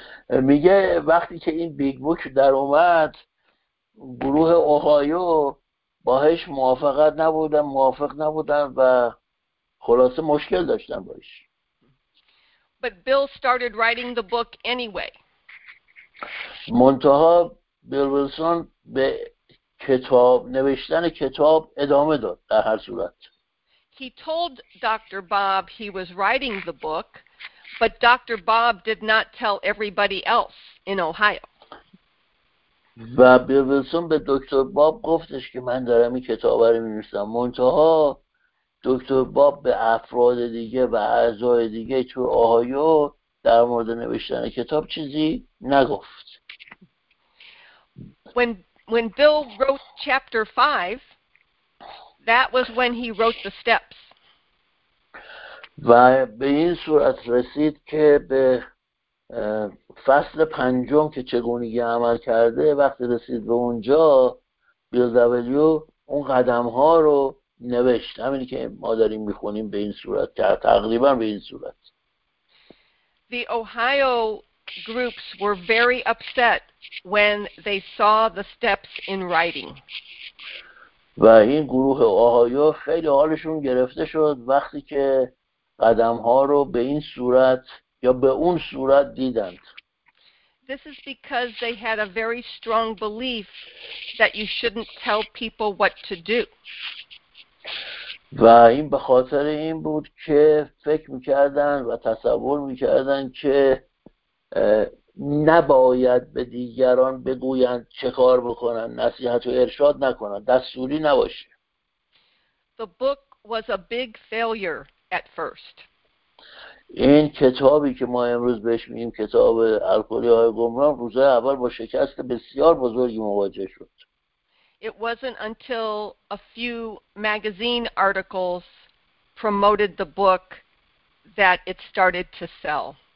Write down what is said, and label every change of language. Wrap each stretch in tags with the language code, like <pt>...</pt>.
<fa>میگه وقتی که این بیگ بوک در اومد گروه اوهایو باهش موافقت نبودن، موافق نبودن و خلاصه مشکل داشتن باهش.</fa> <en>But Bill started writing the book anyway.</en> <fa>منتها بیل ویلسون به کتاب نوشتن کتاب ادامه داد در هر صورت.</fa> <en>He told Dr. Bob he was writing the book, but Dr. Bob did not tell everybody else in Ohio.</en> <fa>و بیل ویلسون به دکتر باب گفتش که من دارم این کتاب رو می‌نویسم. منتها دکتر باب به افراد دیگه و اعضای دیگه تو اوهایو در مورد نوشتن کتاب چیزی نگفت.</fa> <en>When Bill wrote chapter 5, that was when he wrote the steps.</en> <fa>و به این صورت رسید که به فصل پنجم که چگونگی عمل کرده وقتی رسید به اونجا بیل دبلیو اون قدم ها رو نوشت. همینی که ما داریم میخونیم به این صورت، تقریبا به این صورت.</fa> <en>The Ohio groups were very upset when they saw the steps in writing.</en> <fa>و این گروه اوهایو خیلی حالشون گرفته شد وقتی که قدم ها رو به این صورت یا به اون صورت دیدند.</fa> <en>This is because they had a very strong belief that you shouldn't tell people what to do.</en> <fa>و این به خاطر این بود که فکر میکردن و تصور میکردن که نباید به دیگران بگویند چه کار بکنن، نصیحت و ارشاد نکنن، دستوری نباشه.</fa> <en>The book was a big failure at first.</en> <fa>این کتابی که ما امروز بهش میگیم کتاب الکلی های گمران روزهای اول با شکست بسیار بزرگی مواجه شد.</fa> <en>It wasn't until a few magazine articles promoted the book that it started to sell.</en>